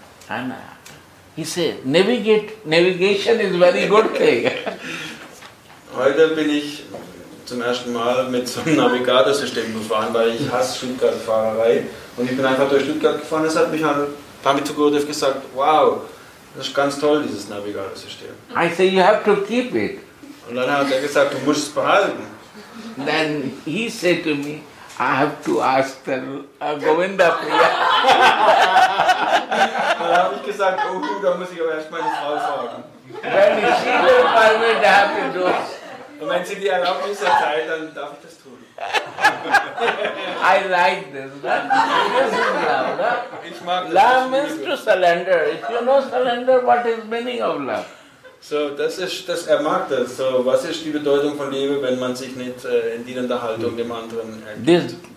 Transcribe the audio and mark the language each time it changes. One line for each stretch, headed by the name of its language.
English: And he said, navigation is very good thing.
German: Heute bin ich zum ersten Mal mit so einem Navigatorsystem gefahren, weil ich hasse Stuttgart-Fahrerei. Und ich bin einfach durch Stuttgart gefahren. Es hat mich an Pamit Tugodev gesagt, wow, das ist ganz toll, dieses Navigatorsystem.
English: I say, you have to keep it.
German: Und dann hat er gesagt, du musst es behalten.
English: Then he said to me, I have to ask the Govinda Priya.
German: Dann habe ich gesagt, oh, da muss ich aber erst meine Frau fragen. Wenn sie die Erlaubnis erteilt, dann darf ich das tun.
English: I like this. This is love. No?
German: Ich mag
English: love das means to surrender. If you know surrender, what is meaning of love?
German: So, das er mag das. So, was ist die Bedeutung von Liebe, wenn man sich nicht in dienender Haltung dem anderen ergibt?